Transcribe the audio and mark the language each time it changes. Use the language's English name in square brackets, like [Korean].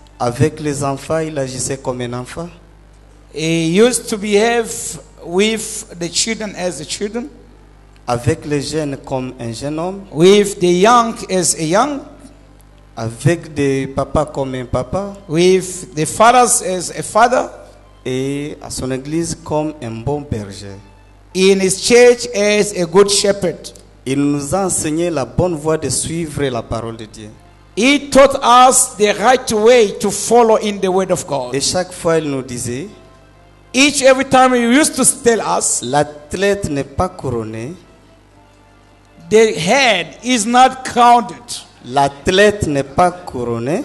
[French] Avec les enfants, il agissait comme un enfant. [English] He used to behave with the children as the children. [French] Avec les jeunes comme un jeune homme. [English] With the young as a young. [French] Avec des papas comme un papa. [English] With the fathers as a father. [French] Et à son église comme un bon berger. [English] In his church as a good shepherd. [French] Il nous a enseigné la bonne voie de suivre la parole de Dieu. [English] He taught us the right way to follow in the word of God. [French] Et chaque fois il nous disait. [English] Each every time he used to tell us. [French] L'athlète n'est pas couronné. [English] The head is not crowned. [French] L'athlète n'est pas couronné.